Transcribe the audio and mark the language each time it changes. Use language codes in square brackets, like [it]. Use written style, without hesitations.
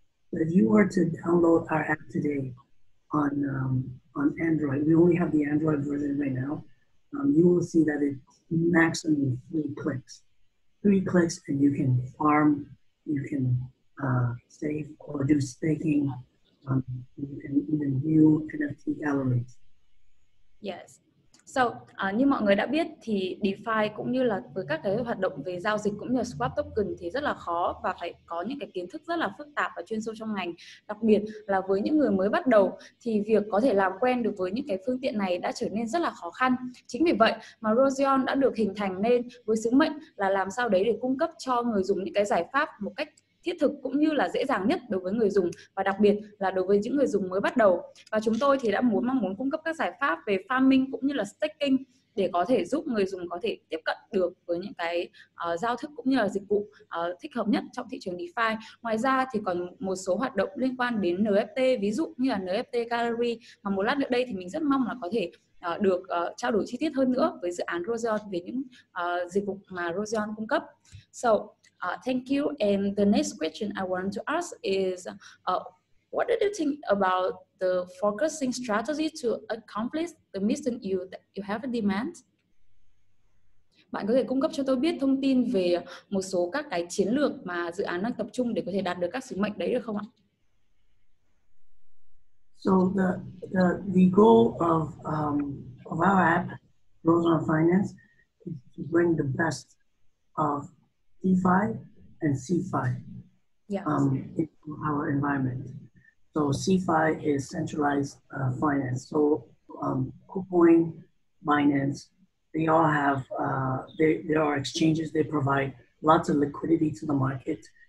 [en] But if you were to download our app today on Android, we only have the Android version right now, you will see that it's maximum 3 clicks. 3 clicks and you can farm, you can save or do staking, you can even view NFT galleries. Yes. [vi] Như mọi người đã biết thì DeFi cũng như là với các cái hoạt động về giao dịch cũng như là swap token thì rất là khó và phải có những cái kiến thức rất là phức tạp và chuyên sâu trong ngành. Đặc biệt là với những người mới bắt đầu thì việc có thể làm quen được với những cái phương tiện này đã trở nên rất là khó khăn. Chính vì vậy mà Roseon đã được hình thành nên với sứ mệnh là làm sao đấy để cung cấp cho người dùng những cái giải pháp một cách thiết thực cũng như là dễ dàng nhất đối với người dùng và đặc biệt là đối với những người dùng mới bắt đầu. Và chúng tôi thì đã mong muốn cung cấp các giải pháp về farming cũng như là staking để có thể giúp người dùng có thể tiếp cận được với những cái giao thức cũng như là dịch vụ thích hợp nhất trong thị trường DeFi. Ngoài ra thì còn một số hoạt động liên quan đến NFT, ví dụ như là NFT Gallery, mà một lát nữa đây thì mình rất mong là có thể được trao đổi chi tiết hơn nữa với dự án Roseon về những dịch vụ mà Roseon cung cấp. [en] Thank you. And the next question I want to ask is, what do you think about the focusing strategy to accomplish the mission you that you have a demand? [vi] Bạn có thể cung cấp cho tôi biết thông tin về một số các cái chiến lược mà dự án đang tập trung để có thể đạt được các sứ mệnh đấy được không ạ? [en] So the goal of our app, Roseon Finance, is to bring the best of DeFi and CeFi into our environment. So CeFi is centralized finance. So KuCoin, Binance, they all have, there are exchanges, they provide lots of liquidity to the market.